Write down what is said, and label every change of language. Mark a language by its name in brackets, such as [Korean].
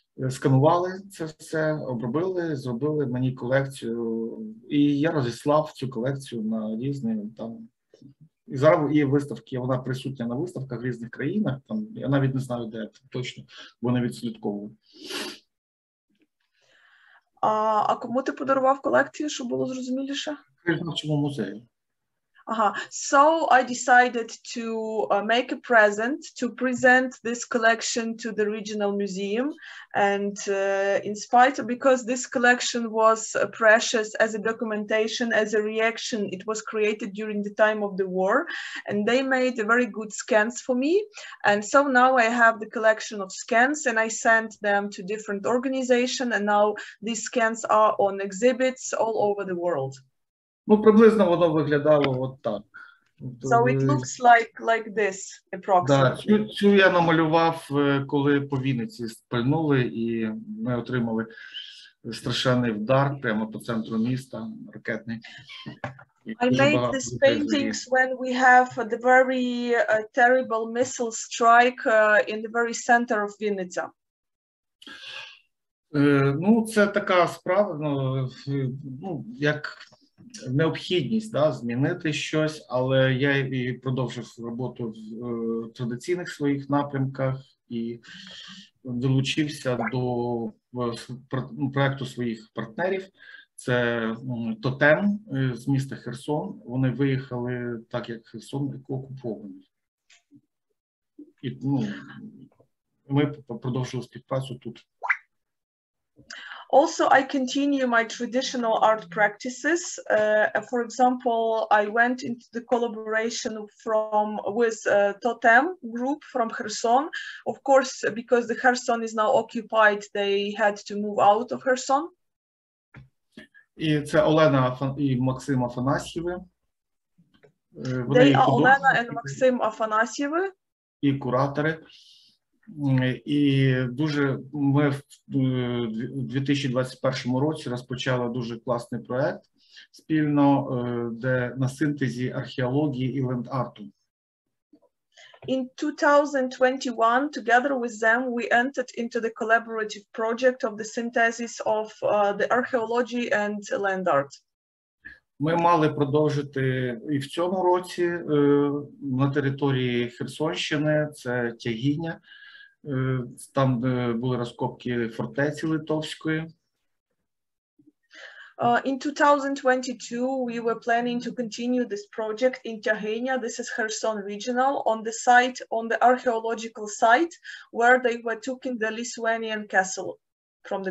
[Ukrainian] Сканували це все, обробили, зробили мені колекцію, і я розіслав цю колекцію на різні там. І зараз є виставки, вона присутня на виставках в різних країнах, там, я навіть не знаю, де точно, бо не відслідковую. А кому ти подарував колекцію, щоб було зрозуміліше? Краєзнавчому музею. [English] So I decided to make a present, to present this collection to the regional museum, and in spite of, because this collection was precious as a documentation, as a reaction, it was created during the time of the war, and they made a very good scans for me, and so now I have the collection of scans, and I sent them to different organizations, and now these scans are on exhibits all over the world. [Ukrainian] Ну, приблизно воно виглядало от так. [English] So it looks like this, approximately. [Ukrainian] Так, цю я намалював, коли по Вінниці спальнули, і ми отримали страшенний вдар прямо по центру міста, ракетний. [English] I made these paintings when we have the very terrible missile strike in the very center of Вінниця. [Ukrainian] Ну, це така справа, ну, як необхідність, да, змінити щось, але я і продовжив роботу в традиційних своїх напрямках і долучився до проєкту своїх партнерів. Це Тотем з міста Херсон. Вони виїхали так, як Херсон окупований. І ну, ми продовжили співпрацю тут. [English] Also, I continue my traditional art practices. For example, I went into the collaboration with Totem group from Kherson. Of course, because the Kherson is now occupied, they had to move out of Kherson. [Ukrainian] І це Олена і Максим Афанасьєви. [English] They are Олена and Максим Афанасьєви. [Ukrainian] І куратори. І дуже ми в 2021 році розпочали дуже класний проект спільно, де на синтезі археології і ленд-арту. [English] In 2021, together with them, we entered into the collaborative project of the synthesis of the archaeology and land art. [Ukrainian] Ми мали продовжити і в цьому році на території Херсонщини, це Тягіння. Там були розкопки фортеці Литовської. [English] In 2022, we were planning to continue this project in Tyagynia. This is Kherson regional on the site, on the archaeological site, where they were taking the Lithuanian castle from the